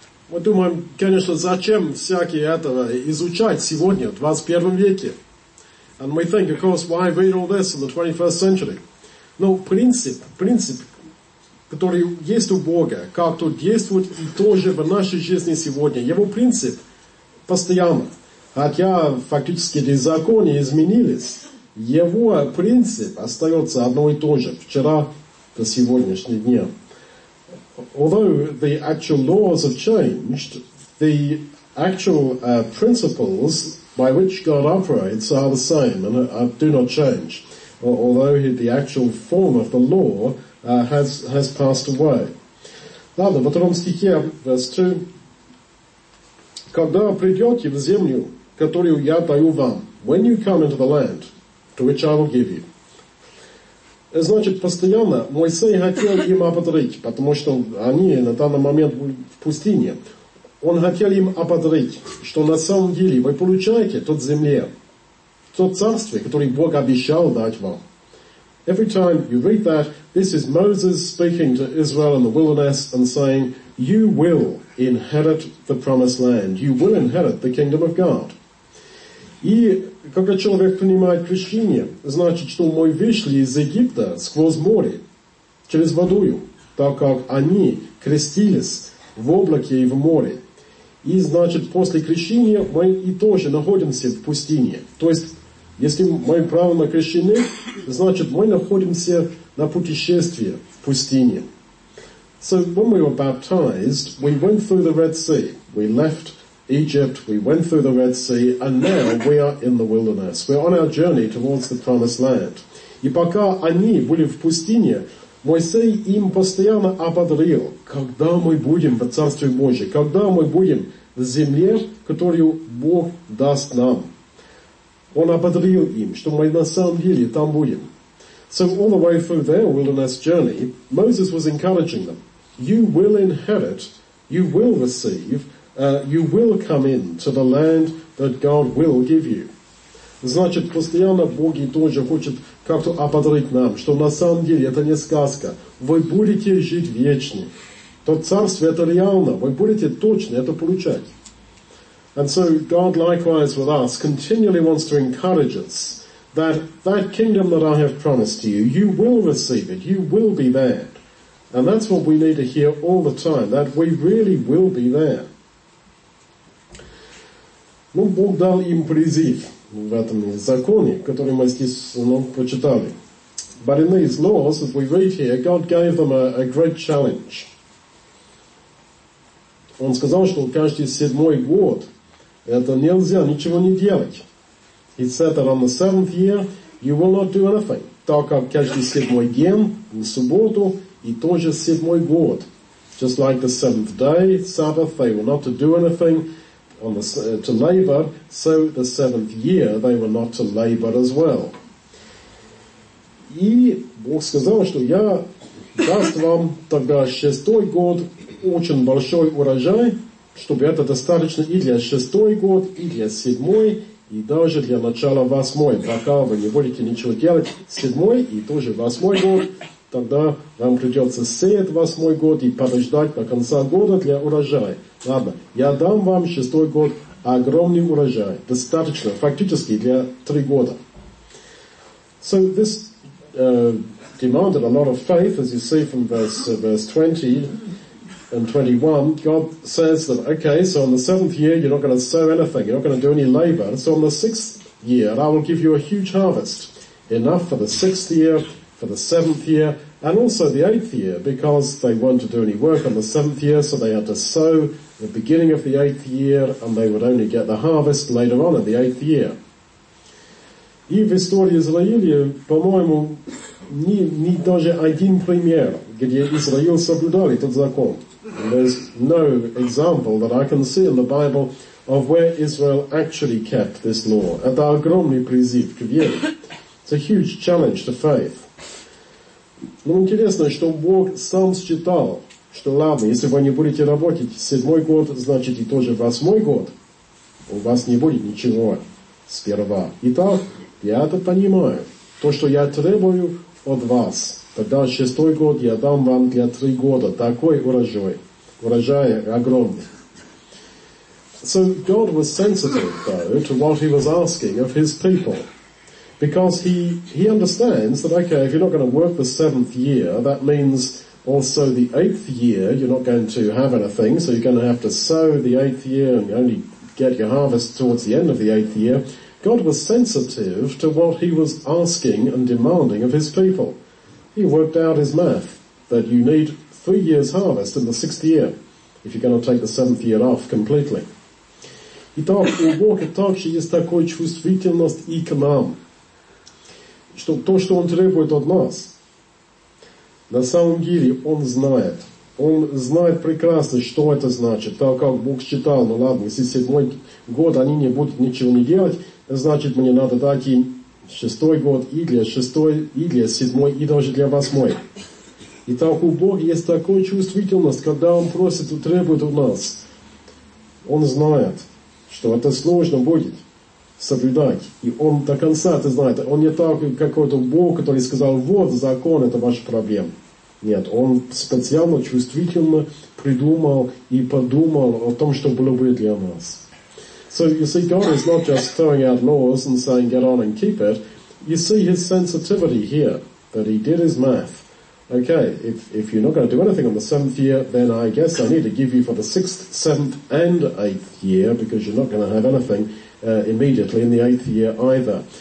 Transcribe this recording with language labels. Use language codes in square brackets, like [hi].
[ru] Мы думаем, конечно, зачем всякие этого изучать сегодня, в 21 веке? [en] And we think, of course, why read all this in the 21st century? [ru] Но принцип, который есть у Бога, как тут действовать и тоже в нашей жизни сегодня, его принцип постоянно. Хотя фактически эти законы изменились, его принцип остается одно и то же вчера до сегодняшнего дня. [en] Although the actual laws have changed, the actual principles by which God operates are the same and do not change. Although the actual form of the law has passed away. [ru] Ладно, в втором стихе, [en] verse 2. [ru] Когда придете в землю, которую я даю вам, [en] when you come into the land to which I will give you. [ru] Значит, постоянно Моисей хотел им ободрить, потому что они на данный момент в пустыне. Он хотел им ободрить, что на самом деле вы получаете тот земле, тот царствие, которое Бог обещал дать вам. [en] Every time you read that, this is Moses speaking to Israel in the wilderness and saying, you will inherit the promised land, you will inherit the kingdom of God. [ru] И когда человек принимает крещение, значит, что мы вышли из Египта сквозь море, через водою, так как они крестились в облаке и в море. И значит, после крещения мы и тоже находимся в пустыне. То есть, если мы правильно крещены, значит, мы находимся на путешествии в пустыне. [en] So, when we were baptized, we went through the Red Sea. We left Egypt, we went through the Red Sea, and now we are in the wilderness. We're on our journey towards the Promised Land. [ru] И пока они были в пустыне, Моисей им постоянно ободрил, когда мы будем в Царстве Божьем, когда мы будем в земле, которую Бог даст нам. Он ободрил им, что мы на самом деле там будем. [en] So all the way through their wilderness journey, Moses was encouraging them, you will inherit, you will receive, you will come in to the land that God will give you. [ru] Значит, постоянно Бог и тоже хочет как-то ободрить нам, что на самом деле это не сказка. Вы будете жить вечно. То царство это реально. Вы будете точно это получать. [en] And so God likewise with us continually wants to encourage us that that kingdom that I have promised to you, you will receive it, you will be there. And that's what we need to hear all the time, that we really will be there. [ru] Ну, Бог дал им призыв в этом законе, который мы здесь прочитали. [en] But in these laws, as we read here, God gave them a great challenge. [ru] Он сказал, что каждый седьмой год это нельзя ничего не делать. [en] He said that on the seventh year, you will not do anything. [ru] Так как каждый седьмой день, в субботу, и тоже седьмой год. [en] Just like the seventh day, Sabbath, they were not to do anything. On the, to labor, so the seventh year they were not to labor as well. [ru] И Бог сказал, что я даст вам тогда шестой год очень большой урожай, чтобы это достаточно и для шестой год, и для седьмой, и даже для начала восьмой. Пока вы не будете ничего делать, седьмой и тоже восьмой год, тогда вам придется сеять восьмой год и подождать до конца года для урожая. Ладно, я дам вам шестой год огромный урожай, достаточно, фактически, для три года. [en] So this demanded a lot of faith, as you see from verse 20 and 21. God says that, okay, so on the seventh year you're not going to sow anything, you're not going to do any labor. So on the sixth year I will give you a huge harvest, enough for the sixth year, for the seventh year, and also the eighth year, because they weren't to do any work on the seventh year, so they had to sow the beginning of the eighth year, and they would only get the harvest later on in the eighth year. [ru] И в истории Израиля, по-моему, не даже один пример, где Израиль соблюдал этот закон. [en] There's no example that I can see in the Bible of where Israel actually kept this law. [ru] Это огромный призыв к вере. [en] It's a huge challenge to faith. [ru] Но интересно, что Бог сам считал, что ладно, если вы не будете работать седьмой год, значит и тоже восьмой год, у вас не будет ничего сперва. Итак, я это понимаю. То, что я требую от вас, Тогда шестой год я дам вам для три года такой урожай. Урожай огромный. [en] So God was sensitive, though, to what he was asking of his people. Because he understands that, okay, if you're not going to work the seventh year, that means also the eighth year you're not going to have anything, so you're going to have to sow the eighth year and only get your harvest towards the end of the eighth year. God was sensitive to what he was asking and demanding of his people. He worked out his math that you need 3 years harvest in the sixth year if you're going to take the seventh year off completely. [ru] Итак, у Бога также есть такая чувствительность и к нам, что то, что Он требует от нас, на самом деле Он знает. Он знает прекрасно, что это значит. Так как Бог считал, ну ладно, если седьмой год они не будут ничего не делать, значит мне надо дать им шестой год и для шестой, и для седьмой, и даже для восьмой. Итак, у Бога есть такая чувствительность, когда Он просит и требует от нас. Он знает, что это сложно будет соблюдать. И он до конца это знает. Он не так, как какой-то Бог, который сказал, вот закон, это ваша проблема. Нет, он специально, чувствительно придумал и подумал о том, что было бы для нас. [en] So you see, God is not just throwing out laws and saying, get on and keep it. You see his sensitivity here, that he did his math. Okay, if you're not going to do anything on the seventh year, then I guess I need to give you for the sixth, seventh, and eighth year, because you're not going to have anything immediately in the eighth year either.